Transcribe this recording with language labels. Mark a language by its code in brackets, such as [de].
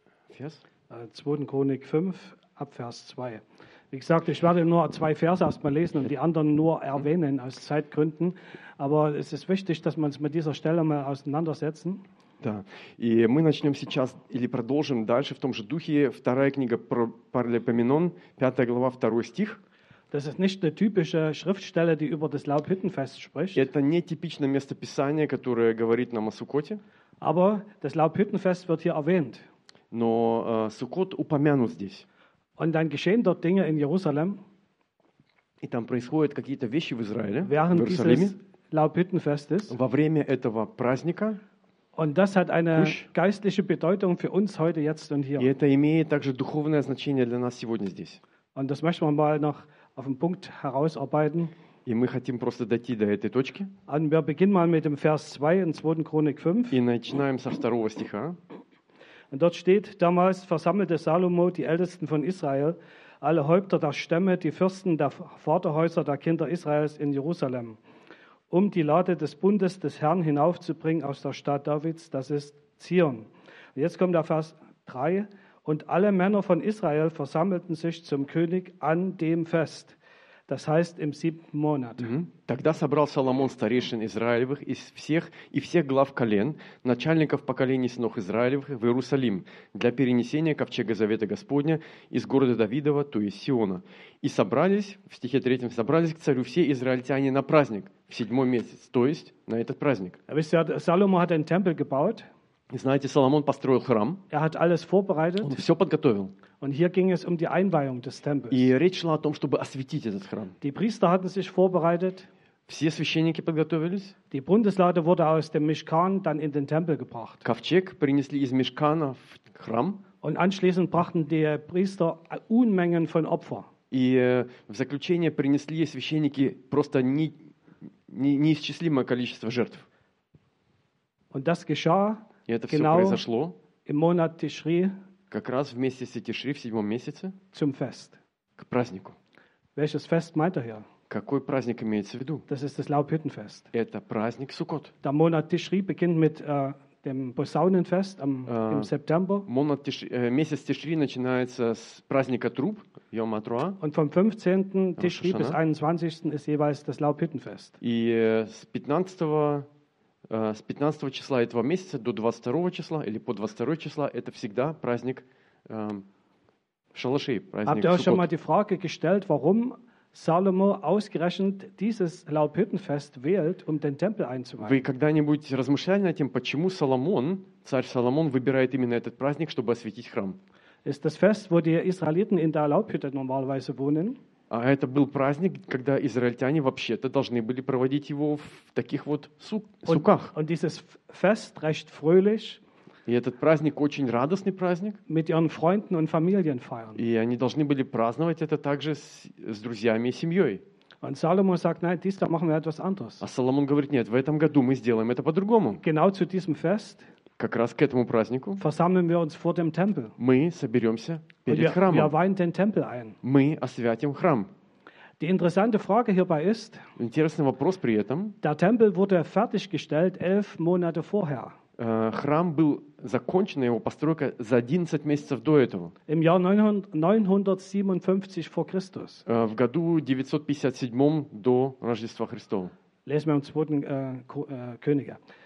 [de] Vers? 2. Chronik 5, Abvers 2. Wie gesagt, ich werde nur zwei Verse erstmal lesen und die anderen nur erwähnen aus Zeitgründen. Aber es ist wichtig, dass wir uns mit dieser Stelle mal auseinandersetzen. [ru] Да. И мы начнем сейчас или продолжим дальше в том же духе. Вторая книга Паралипоменон, 5 глава, 2 стих. [de] Das ist nicht eine typische Schriftstelle, die über das Laubhüttenfest spricht. [ru] Это не типичное местописание, которое говорит нам о Суккоте. [de] Aber das Laubhüttenfest wird hier erwähnt. [ru] Но Суккот упомянут здесь. [de] Und dann geschehen dort Dinge in Jerusalem. [ru] И там происходят какие-то вещи в Израиле, в Иерусалиме. [de] Dieses Laubhüttenfest ist. [ru] Во время этого праздника. [de] Und das hat eine geistliche Bedeutung für uns heute, jetzt und hier. [ru] И это имеет также духовное значение для нас сегодня здесь. [de] Und das möchten wir mal noch auf den Punkt herausarbeiten. [ru] И мы хотим просто дойти до этой точки. [de] Und wir beginnen mal mit dem Vers 2 in 2. Chronik 5. [ru] И начинаем со второго стиха. [de] Und dort steht, damals versammelte Salomo die Ältesten von Israel, alle Häupter der Stämme, die Fürsten der Vaterhäuser der Kinder Israels in Jerusalem. Um die Lade des Bundes des Herrn hinaufzubringen aus der Stadt Davids, das ist Zion. Und jetzt kommt der Vers 3. Und alle Männer von Israel versammelten sich zum König an dem Fest, das heißt im 7. Monat. Mhm. [ru] Тогда собрал Соломон старейшин Израилевых и всех глав колен, начальников поколений сынов Израилевых в Иерусалим для перенесения ковчега Завета Господня из города Давидова, то есть Сиона. И собрались, в стихе 3, собрались к царю все израильтяне на праздник в 7 месяц, то есть на этот праздник. [de] Соломон hat einen Tempel gebaut. [ru] Знаете, Соломон построил храм. [de] Er hat alles vorbereitet. [ru] Он все подготовил. [de] Und hier ging es um die Einweihung des Tempels. [ru] И речь шла о том, чтобы осветить этот храм. [de] Die Priester hatten sich vorbereitet. [ru] Все священники подготовились. [de] Die Bundeslade wurde aus dem Mishkan dann in den Tempel gebracht. [ru] Ковчег принесли из Мишкана в храм. [de] Und anschließend brachten die Priester Unmengen von Opfer. [ru] И в заключение принесли священники просто неисчислимое количество жертв. [de] Und das geschah. [ru] И это [de] genau [ru] все произошло. [de] Im Monat Tishri. [ru] Как раз вместе с Тишри в 7 месяце. [de] Zum Fest. [ru] К празднику. [de] Welches Fest meint er hier? [ru] Какой праздник имеется в виду? [de] Das ist das Laubhüttenfest. [ru] Это праздник Суккот. [de] Der Monat Tishri beginnt mit dem Posaunenfest im September. [ru] Месяц Тишри начинается с праздника Труб, Йом Атруа. [de] Und vom 15. Тишри bis 21. ist jeweils das Laubhüttenfest. [ru] И с 15 числа этого месяца до 22 числа или по 22 числа это всегда праздник шалашей, праздник [de] Суккот. Habt ihr schon mal die Frage gestellt, warum Salomo ausgerechnet dieses Laubhüttenfest wählt, um den Tempel einzuweihen? [ru] Вы когда-нибудь размышляли над тем, почему Соломон, царь Соломон, выбирает именно этот праздник, чтобы осветить храм? [de] Ist das Fest, wo die Israeliten in der Laubhütte normalerweise wohnen? [ru] А это был праздник, когда израильтяне вообще-то должны были проводить его в таких вот суках. [de] Und dieses Fest recht fröhlich. [ru] И этот праздник очень радостный праздник. [de] Mit ihren Freunden und Familien feiern. [ru] И они должны были праздновать это также с друзьями и семьей. [de] Und Salomo sagt, nein, diesmal machen wir etwas anderes. [ru] А Соломон говорит, нет, в этом году мы сделаем это по-другому. [de] Genau zu diesem Fest. [ru] Как раз к этому празднику. [de] Versammeln wir uns vor dem Tempel. [ru] Мы соберемся перед храмом. [de] Wir weihen den Tempel ein. [ru] Мы освятим храм. [de] Die interessante Frage hierbei ist, [ru] интересный вопрос при этом, [de] der Tempel wurde fertiggestellt 11 Monate vorher. [ru] Храм был закончен, его постройка за 11 месяцев до этого. [de] Im Jahr 957 vor Christus. [ru] В году 957 до Рождества Христова. [de] Lesen wir im zweiten Könige.